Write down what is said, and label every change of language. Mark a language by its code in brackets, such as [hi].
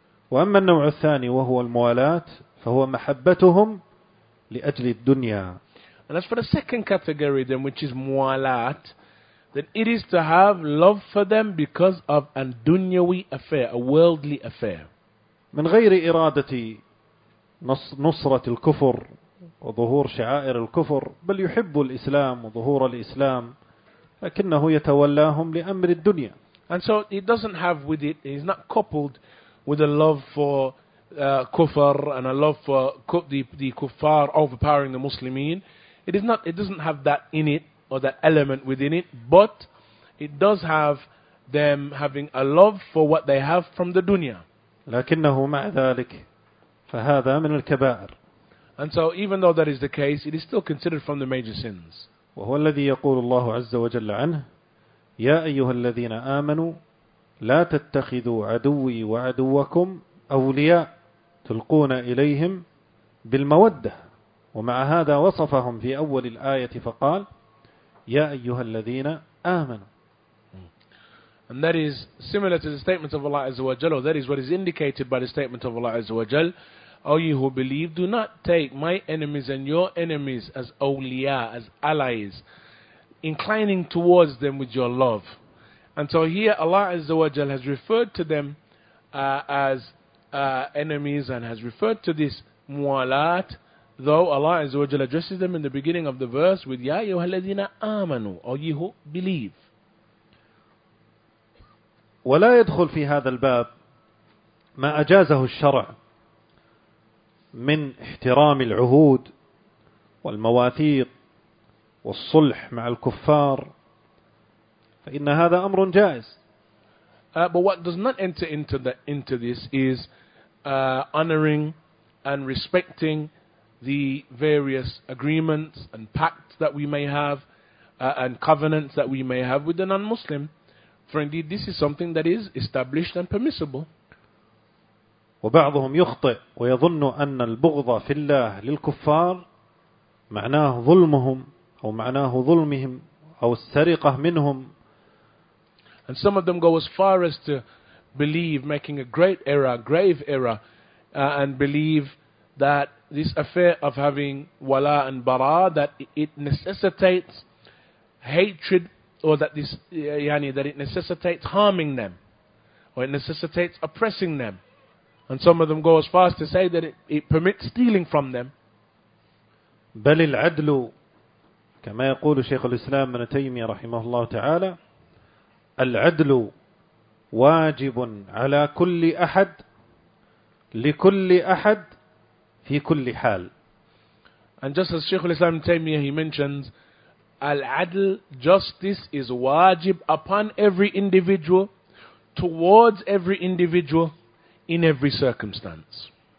[ar] وَأَمَّا النَّوْعُ الثَّانِي وَهُوَ الْمُوَالَاتِ فَهُوَ مَحَبَّتُهُمْ لِأَجْلِ الدُّنْيَا. [en] And as for the second category then, which is muwalat, then it is to have love for them because of a dunyawi affair, a worldly affair. [ar] من غير إرادة نصرة الكفر وظهور شعائر الكفر بل يحب الإسلام وظهور الإسلام لكنه يتولاهم لأمر الدنيا. [en] And so it doesn't have with it, it's not coupled with a love for kufr and a love for the kuffar overpowering the Muslimin. It doesn't have that in it, or that element within it, but it does have them having a love for what they have from the dunya. [ar] لكنه مع ذلك فهذا من الكبائر. [en] And so even though that is the case, it is still considered from the major sins. [ar] وهو الذي يقول الله عز وجل عنه يا أيها الذين آمنوا لا تتخذوا عدوي وعدوكم أولياء تلقون إليهم بالمودة. ومع هذا وصفهم في أول الآية فقال يا أيها الذين آمنوا. [en] And that is similar to the statement of Allah Azza wa Jal, or that is what is indicated by the statement of Allah Azza wa Jal, all you who believe, do not take my enemies and your enemies as awliya, as allies, inclining towards them with your love. And so here Allah Azza wa Jal has referred to them as enemies and has referred to this mu'alat, though Allah Azza wa Jal addresses them in the beginning of the verse with [ar] Ya ayyuha alladhina amanu, [en] or ye who believe. [ar] ولا يدخل في هذا الباب ما أجازه الشرع من احترام العهود والمواثيق والصلح مع الكفار فإن هذا أمر جائز. [en] But what does not enter into this is honoring and respecting the various agreements and pacts that we may have and covenants that we may have with the non-Muslim. For indeed, this is something that is established and permissible. [ar] وبعضهم يخطئ ويظن أن البغض في الله للكفار معناه ظلمهم أو معناه ظلمهم أو السرقة منهم. [en] And some of them go as far as to believe, making a great error, grave error, and believe that this affair of having wala and bara, that it necessitates hatred, or that this yani, that it necessitates harming them, or it necessitates oppressing them. And some of them go as far as to say that it permits stealing from them. [ar] بل العدل كما يقول شيخ الإسلام ابن تيمية رحمه الله تعالى العدل واجب على كل أحد لكل أحد في كل حال. [en] And just as Shaykh al-Islam Taymiyyah, he mentions, Al-Adl, justice is wajib upon every individual, towards every individual, in every circumstance.